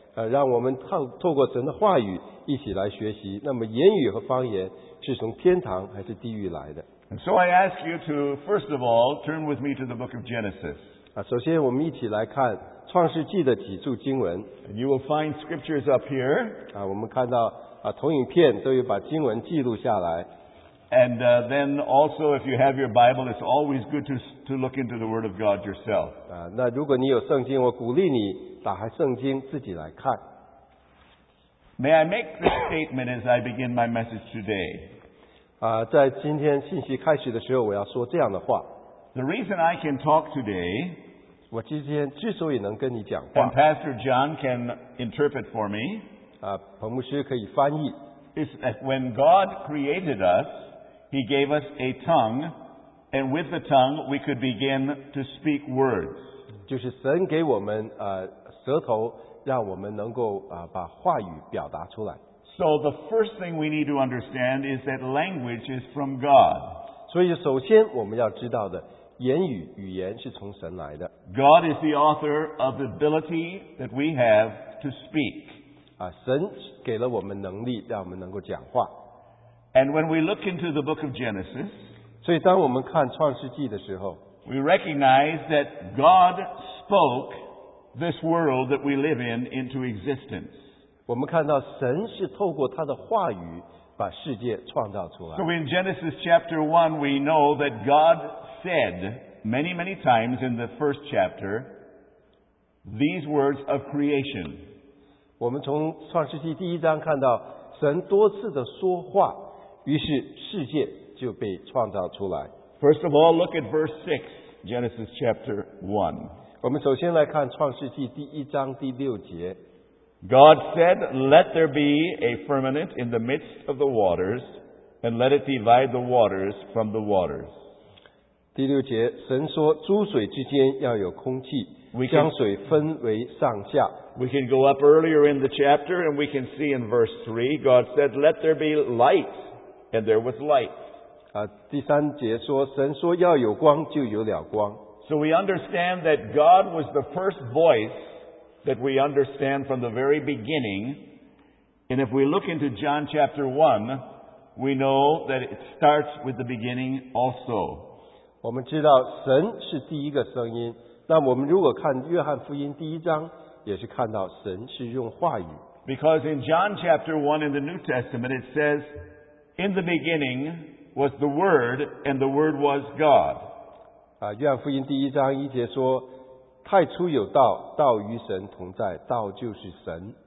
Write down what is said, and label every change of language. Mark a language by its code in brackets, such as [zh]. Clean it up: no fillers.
[zh] 让我们透过神的话语一起来学习,那么言语和方言是从天堂还是地狱来的? [en] And so I ask you to, first of all, turn with me to the book of Genesis. [zh] 首先我们一起来看创世纪的几处经文 [en] And you will find scriptures up here. [zh] 我们看到投影片都有把经文记录下来 [en] And then also if you have your Bible, it's always good to look into the Word of God yourself. [zh] 那如果你有圣经我鼓励你打开圣经自己来看 [en] May I make this statement as I begin my message today? [zh] 在今天信息开始的时候我要说这样的话 [en] The reason I can talk today [zh] 我今天之所以能跟你讲话 [en] and Pastor John can interpret for me [zh] 彭牧师可以翻译 [en] is that when God created us He gave us a tongue and with the tongue we could begin to speak words [zh] 就是神给我们舌头让我们能够把话语表达出来 [en] So the first thing we need to understand is that language is from God [zh] 所以首先我们要知道的言语语言是从神来的 [en] God is the author of the ability that we have to speak [zh] 神给了我们能力让我们能够讲话 [en] And when we look into the book of Genesis [zh] 所以当我们看创世纪的时候 [en] We recognize that God spoke this world that we live in into existence [zh] 我们看到神是透过他的话语把世界创造出来 [en] So in Genesis chapter 1 we know that GodSaid many, many times in the first chapter these words of creation. [zh] 我们从创世纪第一章看到神多次的说话，于是世界就被创造出来。 [en] First of all, look at verse 6, Genesis chapter 1. [zh] 我们首先来看创世纪第一章第六节。 [en] God said, Let there be a firmament in the midst of the waters and let it divide the waters from the waters. [zh] 第六节，神说诸水之间要有空气，将水分为上下。 [en] We can go up earlier in the chapter and we can see in verse 3, God said, let there be light, and there was light. [zh] 第三节说，神说要有光，就有了光。 [en] So we understand that God was the first voice that we understand from the very beginning. And if we look into John chapter 1, we know that it starts with the beginning also. [zh] 我们知道神是第一个声音，那我们如果看约翰福音第一章，也是看到神是用话语。 [en] Because in John chapter 1 in the New Testament, it says, in the beginning was the Word, and the Word was God. [zh] 约翰福音第一章一节说，太初有道，道与神同在，道就是神。